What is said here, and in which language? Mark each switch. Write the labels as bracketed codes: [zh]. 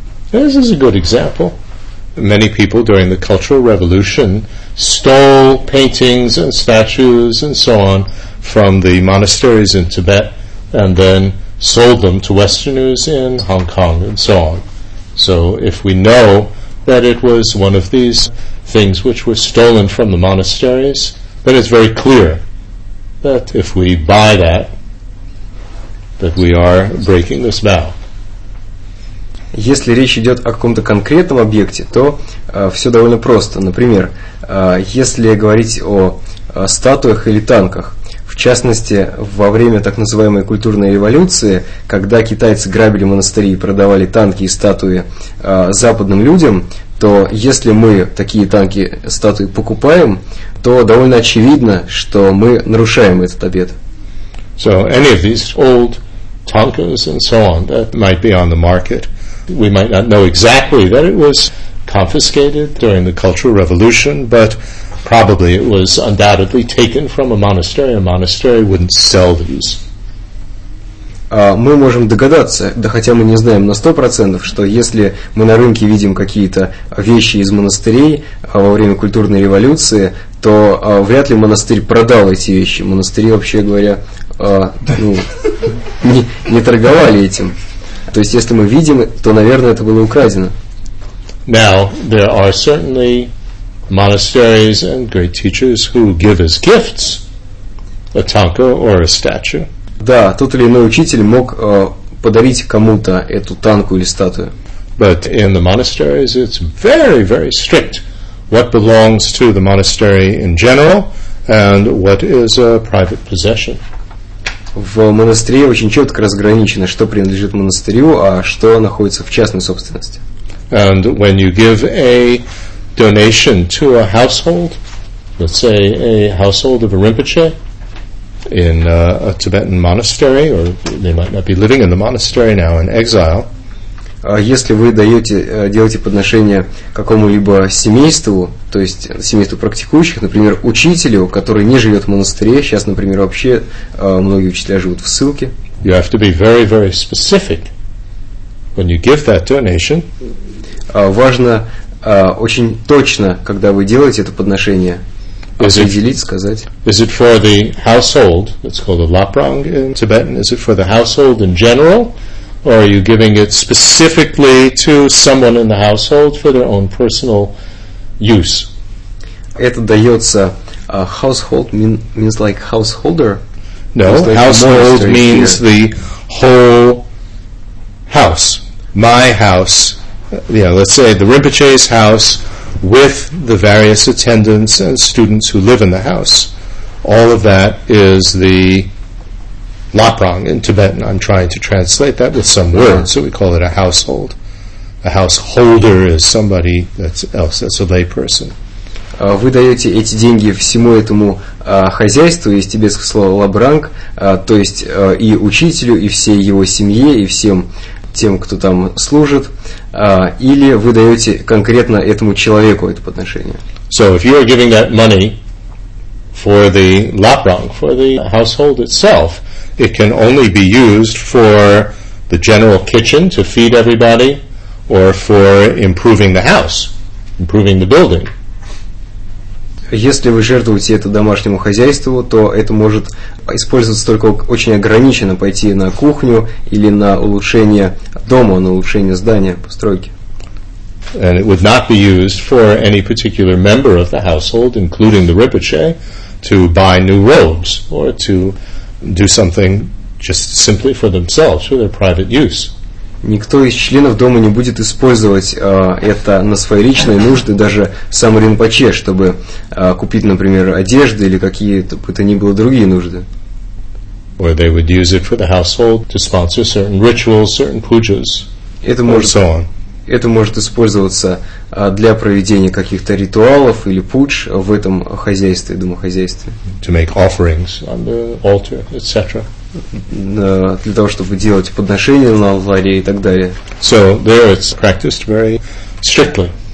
[en] This is a good example. Many people during the Cultural Revolution stole paintings and statues and so on from the monasteries in Tibet and then sold them to Westerners in Hong Kong and so on. So if we know that it was one of these things which were stolen from the monasteries, then it's very clear that if we buy that, that we are breaking this vow. [ru] Если речь идет о каком-то конкретном объекте, то все довольно просто. Например, если говорить о статуях или танках, в частности, во время так называемой культурной революции, когда китайцы грабили монастыри и продавали танки и статуи западным людям, то если мы такие танки и статуи покупаем, то довольно очевидно, что мы нарушаем этот обет. [en] So any of these old tankers and so on that might be on the market, we might not know exactly that it was confiscated during the Cultural Revolution, but probably it was undoubtedly taken from a monastery. A monastery wouldn't sell these. [ru] Мы можем догадаться, да хотя мы не знаем на 100%, что если мы на рынке видим какие-то вещи из монастырей во время культурной революции, то вряд ли монастырь продал эти вещи. Монастыри, вообще говоря, не торговали этим. То есть, если мы видим, то, наверное, это было украдено. [en] Now, there are certainly monasteries and great teachers who give as gifts a tanka or a statue. [ru] Да, тот или иной учитель мог подарить кому-то эту танку или статую. [en] But in the monasteries it's very, very strict what belongs to the monastery in general and what is a private possession. [ru] В монастыре очень четко разграничено, что принадлежит монастырю, а что находится в частной собственности. [en] And when you give a donation to a household, let's say a household of a Rinpoche, in a Tibetan monastery, or they might not be living in the monastery now, in exile. [ru] Если вы делаете подношение какому-либо семейству, то есть семейству практикующих, например, учителю, который не живет в монастыре, сейчас, например, вообще многие учителя живут в ссылке. [en] You have to be very, very specific when you give that donation. [ru] Важно очень точно, когда вы делаете это подношение, определить, сказать. [en] Is it for the household? It's called a laprang in Tibetan. Is it for the household in general? Or are you giving it specifically to someone in the household for their own personal use? [ru] Это дается [en] household means like householder? No, like household means here. The whole house. My house. Yeah, let's say the Rinpoche's house with the various attendants and students who live in the house. All of that is the laprang in Tibetan. I'm trying to translate that with some words, so we call it a household. A householder is somebody that's a lay person. [ru] Вы даете эти деньги всему этому хозяйству, есть тибетское слово лабранг, то есть и учителю, и всей его семье, и всем тем, кто там служит, или вы даете конкретно этому человеку это подношение? [en] So if you are giving that money for the laprang, for the household itself, it can only be used for the general kitchen to feed everybody, or for improving the house, improving the building. [ru] Если вы жертвуете это домашнему хозяйству, то это может использоваться только очень ограниченно, пойти на кухню или на улучшение дома, на улучшение здания, постройки. [en] And it would not be used for any particular member of the household, including the Rinpoche, to buy new robes or to do something just simply for themselves, for their private use. [ru] Никто из членов дома не будет использовать это на свои личные нужды, даже сам Ринпоче, чтобы купить, например, одежду или какие-то бы то ни было другие нужды. [en] Or they would use it for the household to sponsor certain rituals, certain pujas, or so on. [ru] Это может использоваться для проведения каких-то ритуалов или пудж в этом хозяйстве, домохозяйстве. [en] To make offerings on the altar, etc. [ru] Для того, чтобы делать подношения на алтаре и так далее. [en] So there it's practiced very strictly.